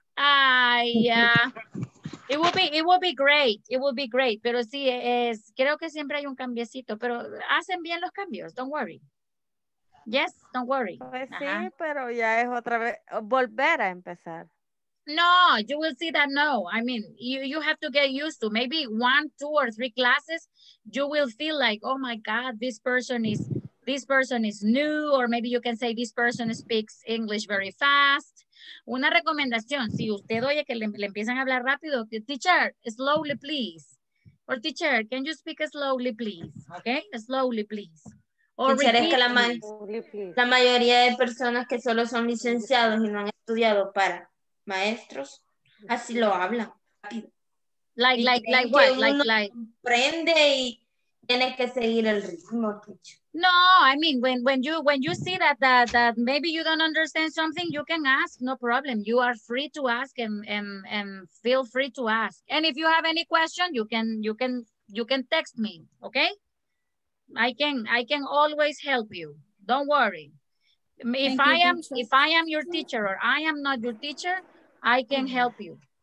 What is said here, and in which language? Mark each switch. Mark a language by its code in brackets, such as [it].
[es] Ay, ya. [en] Yeah. It will be great, [es] pero sí, es, creo que siempre hay un cambiecito, pero hacen bien los cambios, [en] don't worry. Yes, don't worry. [es] Pues sí, pero ya es otra vez, volver a empezar. [en] No, you will see that, no. I mean, you have to get used to, maybe one, two, or three classes, you will feel like, oh my God, this person is new, or maybe you can say this person speaks English very fast. [es] Una recomendación, si usted oye que le empiezan a hablar rápido, teacher, [en] slowly please. Or teacher, can you speak slowly please? Okay, slowly please. Or teacher, repeat, [es] es que la mayoría de personas que solo son licenciados y no han estudiado para maestros, así lo hablan. [en] Like what? Like. [es] Aprende y tienes que seguir el ritmo, teacher. [en] No, I mean, when you see that maybe you don't understand something, you can ask, no problem. You are free to ask and feel free to ask. And if you have any question, you can text me, okay? I can always help you. Don't worry. If I am your teacher or I am not your teacher, I can help you.